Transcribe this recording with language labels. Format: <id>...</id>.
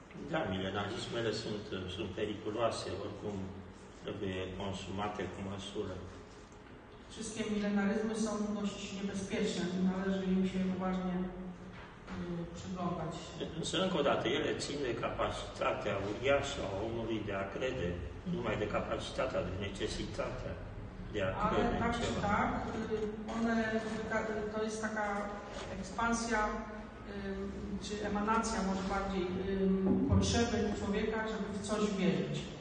<ro>Da, milenarismele sunt periculoase, oricum trebuie consumate cu măsură.</ro> <pl>Wszystkie milenaryzmy są dość niebezpieczne, należy im się uważnie przyglądać.</pl> <ro>Însă, încă o dată, ele țin de capacitatea uriașă a omului de a crede, numai de capacitatea, de necesitatea de a crede.</ro> <pl>Ale tak czy tak, one, to jest taka ekspansja, czy emanacja może bardziej, potrzeby człowieka, żeby w coś wierzyć.</pl>